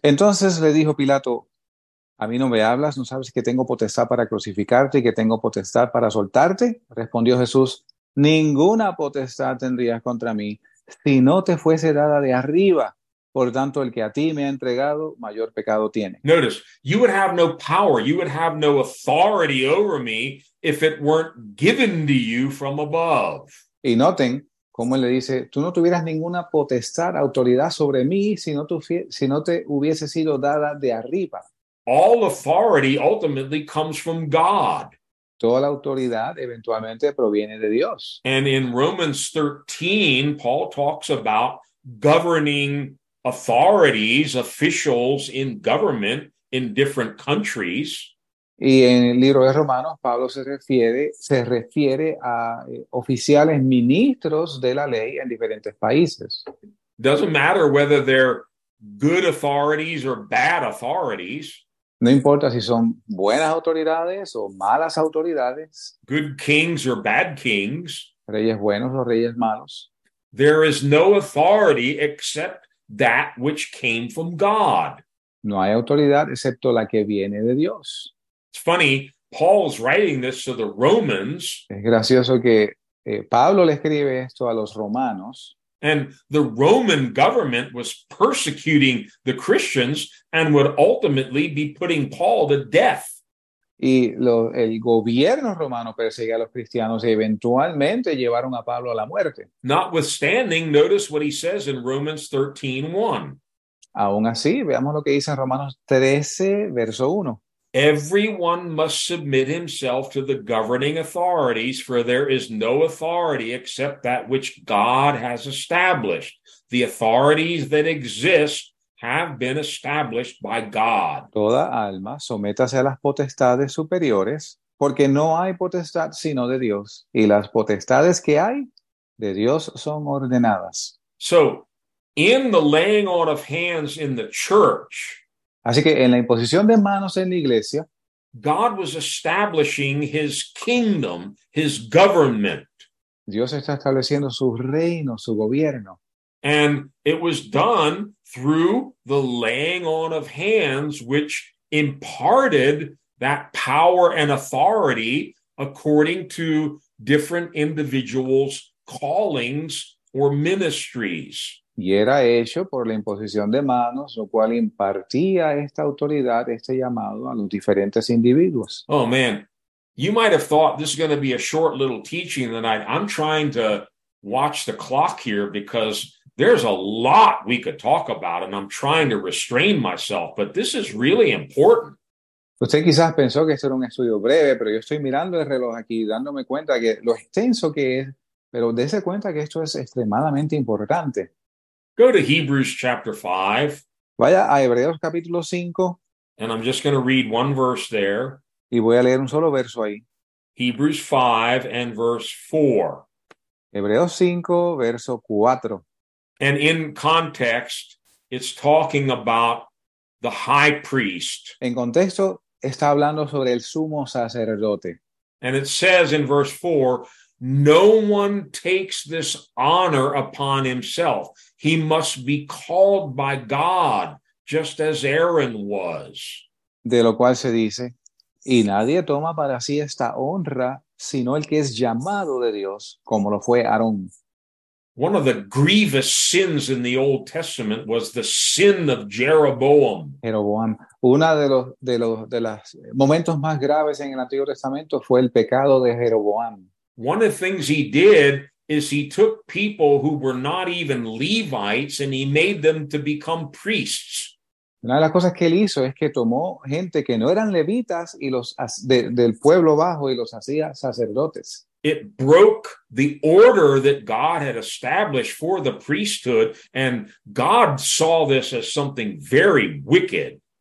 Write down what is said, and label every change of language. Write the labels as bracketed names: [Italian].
[Spanish] Entonces le dijo Pilato, "A mí no me hablas, ¿no sabes que tengo potestad para crucificarte y que tengo potestad para soltarte?" Respondió Jesús, "Ninguna potestad tendrías contra mí si no te fuese dada de arriba. Por tanto, el que a ti me ha entregado, mayor pecado tiene." [English] Notice, you would have no power, you would have no authority over me if it weren't given to you from above. [Spanish] Y noten cómo él le dice, tú no tuvieras ninguna potestad, autoridad sobre mí si no te hubiese sido dada de arriba. [English] All authority ultimately comes from God. [Spanish] Toda la autoridad eventualmente proviene de Dios. [English] And in Romans 13, Paul talks about governing authorities, officials in government in different countries. [Spanish] Y en el libro de Romanos, Pablo se refiere a oficiales ministros de la ley en diferentes países. [English] Doesn't matter whether they're good authorities or bad authorities. [Spanish] No importa si son buenas autoridades o malas autoridades. [English] Good kings or bad kings. [Spanish] Reyes buenos o reyes malos. [English] There is no authority except that which came from God. [Spanish] No hay autoridad excepto la que viene de Dios. [English] It's funny, Paul's writing this to the Romans. [Spanish] Es gracioso que Pablo le escribe esto a los romanos. [English] And the Roman government was persecuting the Christians and would ultimately be putting Paul to death. [Spanish] Y el gobierno romano perseguía a los cristianos y eventualmente llevaron a Pablo a la muerte. [English] Notwithstanding, notice what he says in Romans 13:1. [Spanish] Aún así, veamos lo que dice en Romanos 13, verso 1. [English] Everyone must submit himself to the governing authorities, for there is no authority except that which God has established. The authorities that exist have been established by God. [Spanish] Toda alma, sométase a las potestades superiores, porque no hay potestad sino de Dios, y las potestades que hay de Dios son ordenadas. [English] So, in the laying on of hands in the church, [Spanish] así que en la imposición de manos en la iglesia, [English] God was establishing his kingdom, his government. [Spanish] Dios está estableciendo su reino, su gobierno. [English] And it was done through the laying on of hands, which imparted that power and authority according to different individuals' callings or ministries. [Spanish] Y era hecho por la imposición de manos, lo cual impartía esta autoridad, este llamado a los diferentes individuos. [English] Oh, man, you might have thought this is going to be a short little teaching tonight. I'm trying to watch the clock here because there's a lot we could talk about and I'm trying to restrain myself, but this is really important. [Spanish] Usted quizás pensó que esto era un estudio breve, pero yo estoy mirando el reloj aquí dándome cuenta que lo extenso que es, pero dése cuenta que esto es extremadamente importante. [English] Go to Hebrews chapter 5. [Spanish] Vaya a Hebreos capítulo 5. [English] And I'm just going to read one verse there. [Spanish] Y voy a leer un solo verso ahí. [English] Hebrews 5 and verse 4. [Spanish] Hebreos 5, verso 4. [English] And in context, it's talking about the high priest. [Spanish] En contexto, está hablando sobre el sumo sacerdote. [English] And it says in verse 4, no one takes this honor upon himself. He must be called by God, just as Aaron was. [Spanish] De lo cual se dice, y nadie toma para sí esta honra, sino el que es llamado de Dios, como lo fue Aarón. [English] One of the grievous sins in the Old Testament was the sin of Jeroboam. [Spanish] Jeroboam, uno de los momentos más graves en el Antiguo Testamento fue el pecado de Jeroboam. [English] One of the things he did is he took people who were not even Levites and he made them to become priests. [Spanish] Una de las cosas que él hizo es que tomó gente que no eran levitas y los del pueblo bajo y los hacía sacerdotes. [English] It broke the order that God had established for the priesthood, and God saw this as something very wicked.